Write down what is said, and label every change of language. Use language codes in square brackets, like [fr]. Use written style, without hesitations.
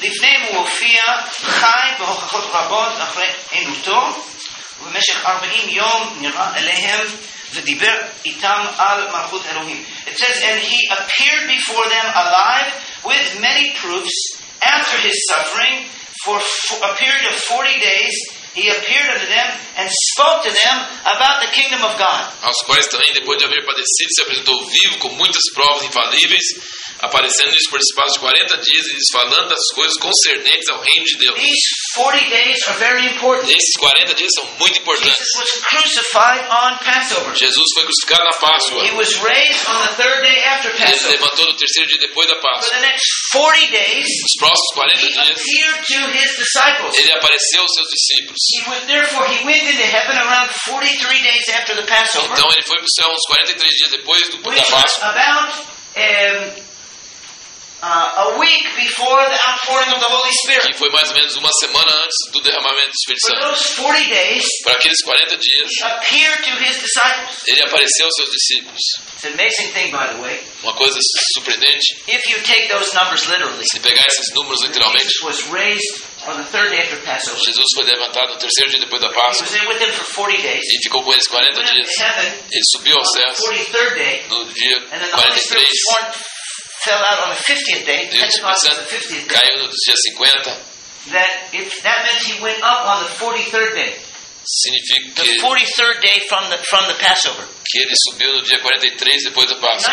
[he] לפני מופיעה חי בהוכחות רבות אחרי עינותו ובמשך 40 יום נראה אליהם ודיבר איתם על מלכות אלוהים. [en] It says, and he appeared before them alive with many proofs after his suffering for a period of 40 days. He appeared unto them and spoke to them about the kingdom of God. [pt] Aos quais também, depois de haver padecido, se apresentou vivo com muitas provas infalíveis, aparecendo-lhes por espaço de 40 dias e lhes falando das coisas concernentes ao reino de Deus. [en] These 40 days are very important. [pt] Esses 40 dias são muito importantes. [en] Jesus was crucified on Passover. [pt] Jesus foi crucificado na Páscoa. [en] He was raised on the third day after Passover. [pt] Ele se levantou no terceiro dia depois da Páscoa. [en] For the next 40 days, [pt] os próximos 40 [en] he [pt] dias, [en] appeared to his disciples. [pt] Ele apareceu aos seus discípulos. [en] He went into heaven around 43 days after the Passover. [pt] Então ele foi para o céu uns 43 dias depois do, [en] which [pt] da Páscoa. [en] About, a week before the outpouring of the Holy Spirit. [pt] Que foi mais ou menos uma semana antes do derramamento do Espírito Santo. [en] For those 40 days, [pt] para aqueles 40 dias, [en] he appeared to his disciples. [pt] Ele apareceu aos seus discípulos. [en] It's an amazing thing, by the way. [pt] Uma coisa surpreendente. [en] If you take those numbers literally, [pt] se pegar esses números literalmente, [en] Jesus was raised on the third day after Passover. [pt] Jesus foi levantado no terceiro dia depois da Páscoa. [en] He was there with them for 40 days. [pt] E ficou com eles 40 dias. Ele subiu aos céus. [en] On the 43rd day, [pt] no dia 43. [en] Fell out on the 50th day. [pt] E o Espírito Santo caiu no dia 50. [en] That meant he went up on the 43rd day. [pt] Significa que [en] the 43rd day from the Passover. [pt] Que ele subiu no dia 43 depois do Páscoa.